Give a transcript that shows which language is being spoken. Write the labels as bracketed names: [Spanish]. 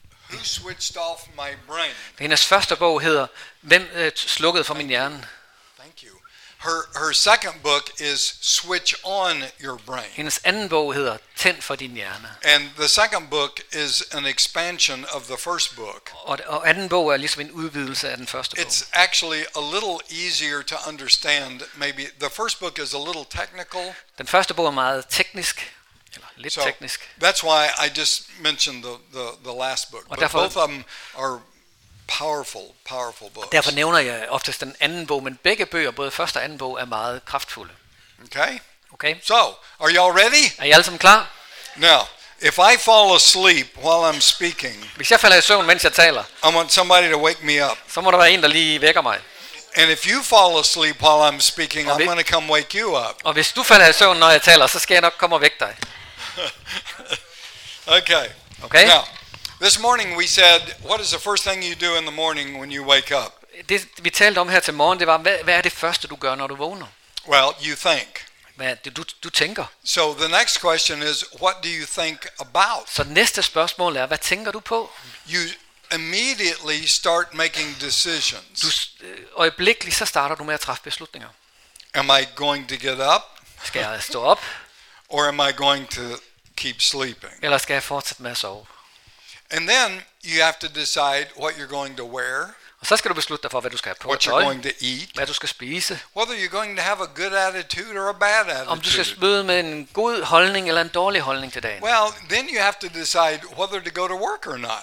[English] Who switched off my brain? [Danish] Hendes første bog hedder Hvem slukkede for min hjerne? [English] Thank you. Her second book is Switch on your brain. [Danish] Hendes anden bog hedder Tænd for din hjerne. [English] And the second book is an expansion of the first book. [Danish] Og anden bog er ligesom en udvidelse af den første bog. [English] It's actually a little easier to understand. Maybe the first book is a little technical. [Danish] Den første bog er meget teknisk. Lidt [English] so [Danish] teknisk. [English] That's why I just mentioned the last book. But [Danish] derfor, [English] both of them are powerful books. [Danish] Derfor nævner jeg oftest den anden bog, men begge bøger, både første og anden bog, er meget kraftfulde. [English] Okay. So, are you all ready? [Danish] Er I alle sammen klar? [English] Now, if I fall asleep while I'm speaking, [Danish] hvis jeg falder i søvn mens jeg taler, [English] I want somebody to wake me up. [Danish] Så må der være en, der lige vækker mig. [English] And if you fall asleep while I'm speaking, I'm going to come wake you up. [Danish] Og hvis du falder i søvn når jeg taler, så skal jeg nok komme og vække dig. [English] Okay. Now, this morning we said, what is the first thing you do in the morning when you wake up? [Danish] Det vi talte om her til morgen, det var, hvad er det første du gør når du vågner? [English] Well, you think. [Danish] Du tænker. [English] So the next question is, what do you think about? [Danish] Så næste spørgsmål er, hvad tænker du på? [English] You immediately start making decisions. [Danish] Du øjeblikkeligt så starter du med at træffe beslutninger. [English] Am I going to get up? [Danish] Skal jeg stå op? [English] Or am I going to keep sleeping? [Danish] Eller skal jeg fortsætte med at sove? [English] And then you have to decide what you're going to wear. [Danish] Og så skal du beslutte dig for hvad du skal have på. [English] What you're going to eat. [Danish] Hvad du skal spise. [English] Whether you're going to have a good attitude or a bad attitude. [Danish] Om du skal møde med en god holdning eller en dårlig holdning til dagen. [English] Well, then you have to decide whether to go to work or not.